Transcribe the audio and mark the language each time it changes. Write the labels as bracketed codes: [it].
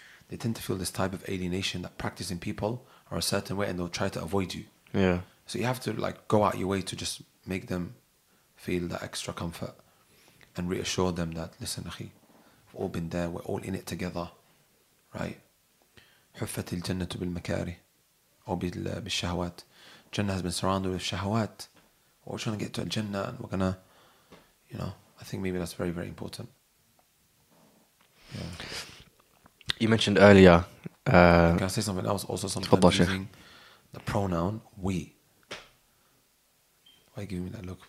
[en] They tend to feel this type of alienation that practicing people are a certain way and they'll try to avoid you. Yeah. So you have to like go out your way to just make them feel that extra comfort. and reassured them that, listen, akhi, we've all been there, we're all in it together, right? [ar] حفت الجنة بالمكاري أو بالشهوات. [en] Jannah has been surrounded with shahwat. We're trying to get to Al-Jannah, and we're gonna, you know, I think maybe that's very, very important. Yeah. You mentioned earlier. Can I say something else? Also, sometimes using the pronoun we. Why are you giving me that look?